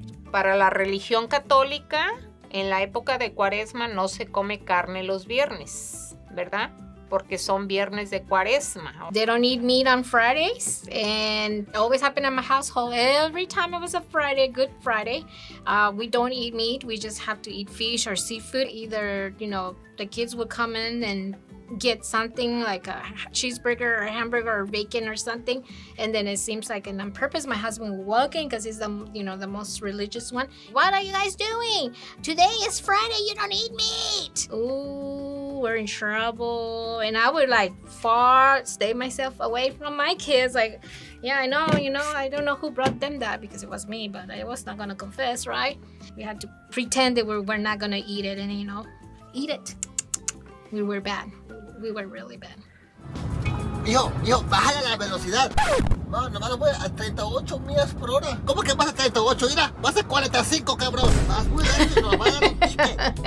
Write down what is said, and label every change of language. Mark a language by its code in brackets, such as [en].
[es] Para la religión católica, en la época de Cuaresma no se come carne los viernes, ¿verdad? Porque son viernes de Cuaresma. [en] They don't eat meat on Fridays, and it always happened in my household. Every time it was a Friday, Good Friday, we don't eat meat. We just have to eat fish or seafood. Either, you know, the kids would come in and get something like a cheeseburger or a hamburger or bacon or something, and then it seems like on purpose my husband would walk in because he's the, you know, the most religious one. What are you guys doing? Today is Friday. You don't eat meat. Ooh. We're in trouble, and I would like stay myself away from my kids. Like, yeah, I know, you know, I don't know who brought them that because it was me, but I was not gonna confess, right? We had to pretend that we were not gonna eat it, and you know, eat it. We were bad. We were really bad. [es] Hijo, bájale la velocidad. No, nomás lo voy a 38 millas por hora. ¿Cómo que vas a 38? Mira, vas a 45, cabrón. Vas muy rápido, nomás dale un pique.